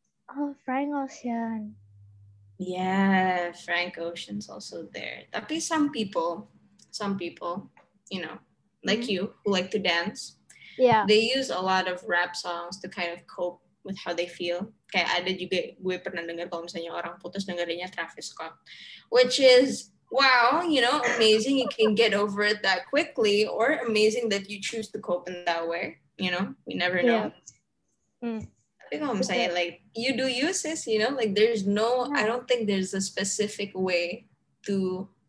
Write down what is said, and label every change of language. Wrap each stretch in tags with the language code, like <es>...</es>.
<en>Oh, Frank Ocean. Yeah, Frank Ocean's also there. Tapi some people, you know, like you, who like to dance. Yeah. They use a lot of rap songs to kind of cope with how they feel.</en> <id>Kayak ada juga, gue pernah denger kalau misalnya orang putus dengerinnya Travis Scott.</id> <en>Which is, wow, you know, amazing you can get over it that quickly. Or amazing that you choose to cope in that way. You know, we never know. Yeah. You know what I'm saying? Like, you do use this, you know? Like, there's no, yeah. I don't think there's a specific way to</en>